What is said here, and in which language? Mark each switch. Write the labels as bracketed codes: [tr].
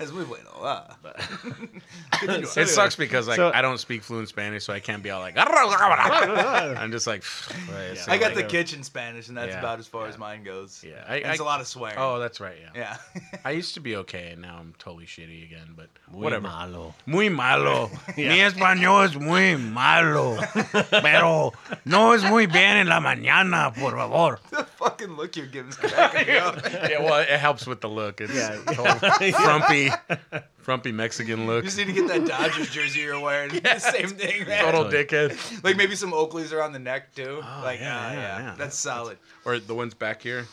[es] Es muy bueno. [en] It sucks because like I don't speak fluent Spanish, so I can't be all like... I'm just like... Right, so I got the kitchen Spanish, and that's about as far as mine goes. Yeah. It's a lot of swearing. Oh, that's right, yeah. Yeah. I used to be okay, and now I'm totally shitty again, but [es] muy [en] whatever. [es] Muy malo. [en] Yeah. [es] Mi español es muy malo, pero no es muy bien en la mañana, por favor. [en] The fucking look you're giving is cracking me up. Yeah, well, it helps with the look. It's frumpy Mexican look. You just need to get that Dodgers jersey you're wearing. Yeah. Same thing, man. Total dickhead. Like maybe some Oakleys around the neck, too. Oh, like, yeah. That's solid. Or the ones back here.